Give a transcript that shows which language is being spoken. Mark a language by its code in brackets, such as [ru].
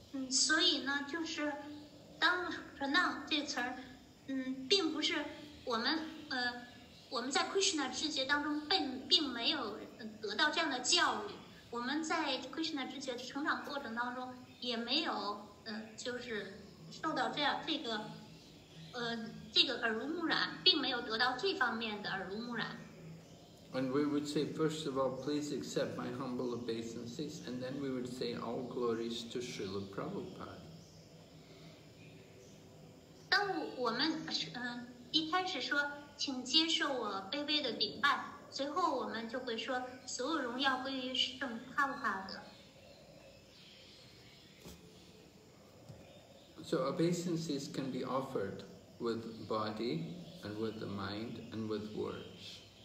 [zh] 所以呢，就是。当 pranam 这词儿，并不是我们在 Krishna 知觉当中并没有得到这样的教育，我们在 Krishna 知觉成长过程当中也没有就是受到这个耳濡目染，并没有得到这方面的耳濡目染。 [en] And we would say, first of all, please accept my humble obeisances, and then we would say, all glories to Srila Prabhupada. [zh] 当我们一开始说请接受我卑微的顶拜，随后我们就会说所有荣耀归于圣帕布帕德。 [en] So obeisances can be offered with body and with the mind and with words.